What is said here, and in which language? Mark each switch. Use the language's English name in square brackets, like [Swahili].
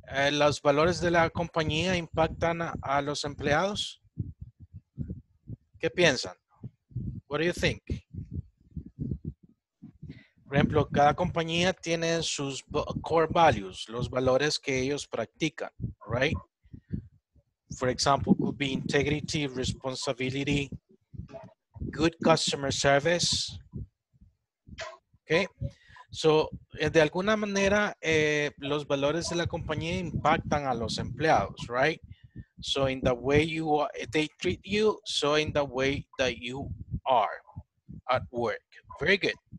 [Spanish] ¿Los valores de la compañía impactan a los empleados? ¿Qué piensan? [English] What do you think? [Spanish] Por ejemplo, cada compañía tiene sus core values, los valores que ellos practican, right? [English] For example, could be integrity, responsibility, good customer service. Okay, so [Spanish] de alguna manera los valores de la compañía impactan a los empleados, right? [English] So in the way you are, they treat you, so in the way that you are at work. Very good.